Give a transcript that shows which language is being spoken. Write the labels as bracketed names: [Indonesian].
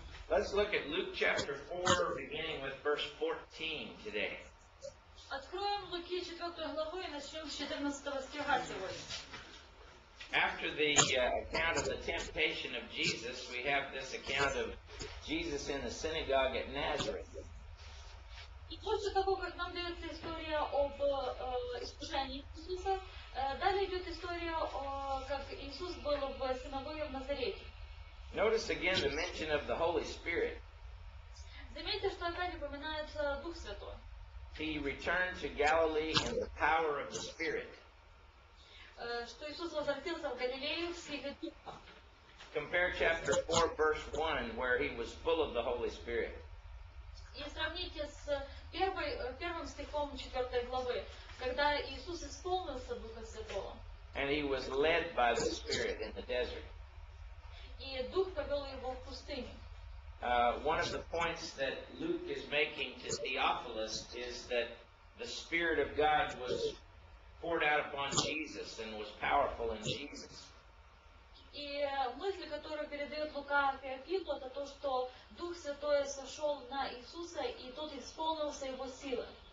[English] Let's look at Luke chapter 4, beginning with verse 14 today. [Russian] Откроем Луки 4 главу и начнем с 14 стиха сегодня. [English] After the account of the temptation of Jesus, we have this account of Jesus in the synagogue at Nazareth. [Russian] И после того, как нам дается история об искушении Иисуса, далее идет история, как Иисус был в синагоге в Назарете. [English] Notice again the mention of the Holy Spirit. [Russian] Заметьте, что опять упоминается Дух Святой. [English] He returned to Galilee in the power of the Spirit. [Russian] Что Иисус возвратился в Галилею в силе Духа. [English] Compare chapter 4, verse 1, where he was full of the Holy Spirit. [Russian] И сравните с первым стихом 4 главы, когда Иисус исполнился Духа Святого. [English] And he was led by the Spirit in the desert. [Russian] И Дух повел его в пустыню. [English] One of the points that Luke is making to Theophilus is that the Spirit of God was poured out upon Jesus and was powerful in Jesus. [Russian] И мысль, которую передает Лука Феофилу, это то, что Дух Святой сошел на Иисуса, и тот исполнился Его силой.